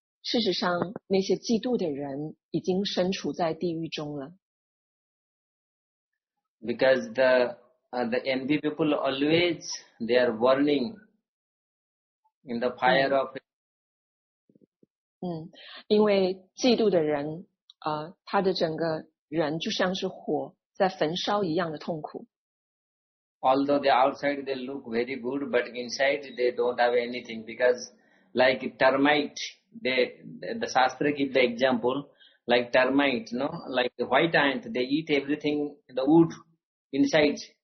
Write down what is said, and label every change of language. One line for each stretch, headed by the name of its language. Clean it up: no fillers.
Chinese: 事实上，那些嫉妒的人已经身处在地狱中了。
English: Because the envy people always, they are warning. In the fire of it.
Chinese: 因为嫉妒的人他的整个人就像是火在焚烧一样的痛苦。
English: Although the outside they look very good, but inside they don't have anything because like termite, the Shastra give the example, like termite, no? Like the white ant, they eat everything, the wood inside.